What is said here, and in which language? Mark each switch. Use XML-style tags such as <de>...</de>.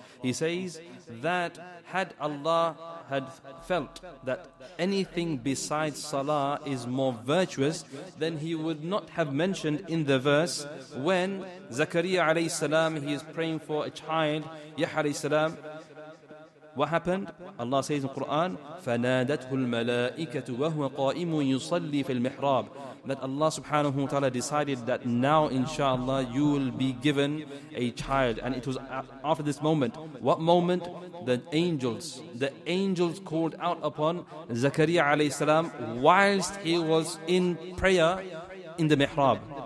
<en>He says that had Allah had felt that anything besides salah is more virtuous, then he would not have mentioned in the verse when Zakariya alayhi salam, he is praying for a child, Yahya alayhi salam. What happened? Allah says in the Quran,</en> <ar>فَنَادَتْهُ الْمَلَائِكَةُ وَهُوَ قَائِمٌ يُصَلِّي فِي الْمِحْرَابِ.</ar> <en>That Allah subhanahu wa ta'ala decided that now inshallah you will be given a child. And it was after this moment. What moment? The angels called out upon Zakariya alayhi salam whilst he was in prayer in the mihrab.</en>